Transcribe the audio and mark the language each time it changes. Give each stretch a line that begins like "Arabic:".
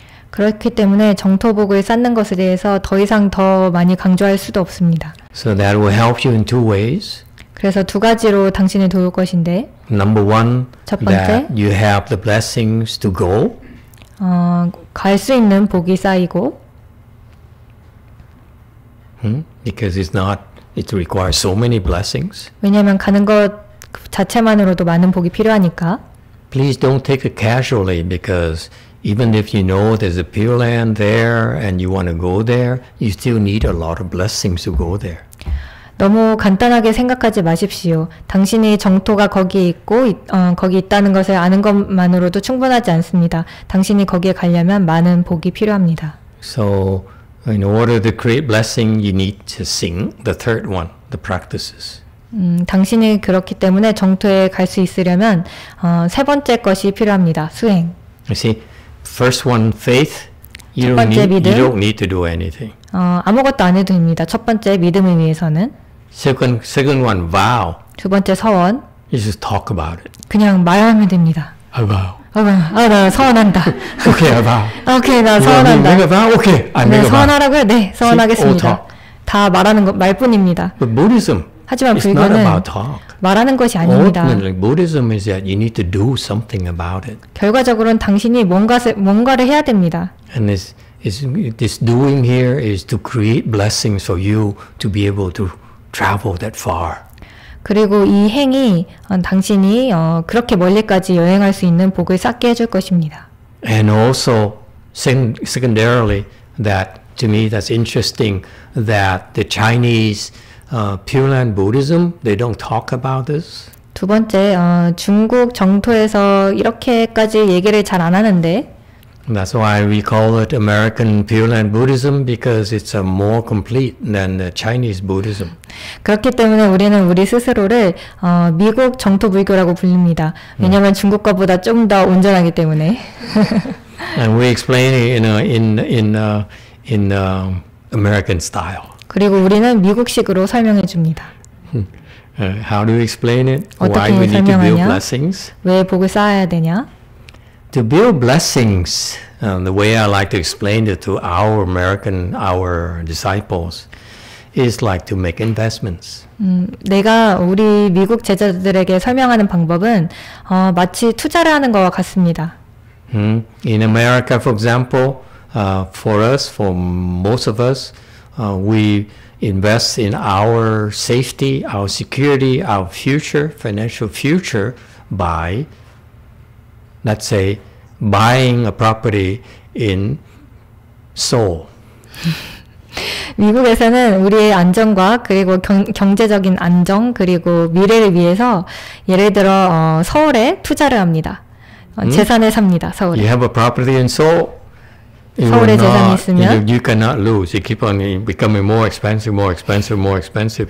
Korean: 그렇기 때문에 정토복을 쌓는 것에 대해서 더 이상 더 많이 강조할 수도 없습니다.
English: So that will help you in two ways.
Korean: 그래서 두 가지로 당신을 도울 것인데.
English: Number one,
Korean: 첫 번째,
English: that you have the blessings to go.
Korean: 갈 수 있는 복이 쌓이고.
English: Because it requires so many blessings.
Korean: 왜냐하면 가는 것 자체만으로도 많은 복이 필요하니까.
English: Please don't take it casually because even if you know there's a pure land there and you want to go there, you still need a lot of blessings to go there.
Korean: 너무 간단하게 생각하지 마십시오. 당신이 정토가 거기 있고 거기 있다는 것을 아는 것만으로도 충분하지 않습니다. 당신이 거기에 가려면 많은 복이 필요합니다.
English: So in order to create blessing, you need to sing the third one, the practices.
Korean: 당신이 그렇기 때문에 정토에 갈 수 있으려면 세 번째 것이 필요합니다. 수행.
English: You see? First one, faith. You don't need,
Korean: 믿음.
English: You don't need to do anything.
Korean: 아무것도 안 해도 됩니다. 첫 번째 믿음을 위해서는.
English: Second one, vow.
Korean: 두 번째 서원.
English: You just talk about it.
Korean: 그냥 말하면 됩니다.
English: I vow.
Korean: 나 서원한다.
English: Okay, I vow.
Korean: Okay, 나 서원한다.
English: Make a vow? Okay, I make a vow.
Korean: 서원하라고요? 네, 서원하겠습니다. 다 말하는 것 말뿐입니다.
English: But Buddhism.
Korean: 하지만 불교는 말하는 것이 아닙니다.
English: Buddhism is that you need to do something about it.
Korean: 결과적으로는 당신이 뭔가를 해야 됩니다.
English: And this doing here is to create blessings for you to be able to travel that far.
Korean: 그리고 이 행이 당신이 그렇게 멀리까지 여행할 수 있는 복을 쌓게 해줄 것입니다.
English: And also secondarily, that to me that's interesting that the Chinese Pure Land Buddhism, they don't talk about this.
Korean: 두 번째, 중국 정토에서 이렇게까지 얘기를 잘 안 하는데.
English: That's why we call it American Pure Land Buddhism because it's more complete than the Chinese Buddhism.
Korean: 그렇기 때문에 우리는 우리 스스로를 미국 정토 불교라고 불립니다. 왜냐하면 중국 것보다 좀 더 온전하기 때문에.
English: And we explain it in American style.
Korean: 그리고 우리는 미국식으로 설명해 줍니다.
English: How do you explain it? Why we need to build blessings?
Korean: 왜 복을 쌓아야 되냐?
English: To build blessings, the way I like to explain it to our disciples, is like to make investments.
Korean: 내가 우리 미국 제자들에게 설명하는 방법은 마치 투자를 하는 것과 같습니다.
English: In America, for example, for most of us, we invest in our safety, our security, our future, financial future by, let's say, buying a property in Seoul.
Korean: 미국에서는 우리의 안정과 그리고 경제적인 안정 그리고 미래를 위해서 예를 들어 서울에 투자를 합니다. 재산에 삽니다. 서울에.
English: You have a property in Seoul. You
Korean: 서울에 재산이
English: not,
Korean: 있으면
English: you cannot lose. You keep on becoming more expensive, more expensive, more expensive.